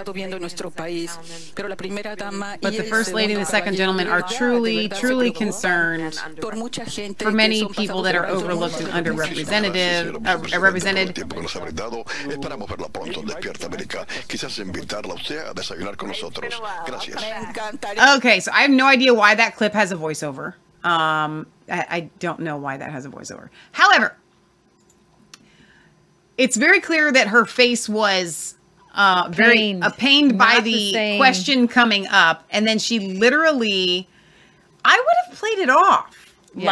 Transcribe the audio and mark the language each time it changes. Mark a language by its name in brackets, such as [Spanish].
[English] But the First Lady and the Second Gentleman are truly, truly concerned for many people that are overlooked and underrepresented. [Spanish] Moverla pronto, despierta América. Quizás invitarla a usted a desayunar con nosotros. Gracias. [English] Okay, so I have no idea why that clip has a voiceover. I don't know why that has a voiceover. However, it's very clear that her face was very pained by the question coming up, and then she literally, I would have played it off. Yeah.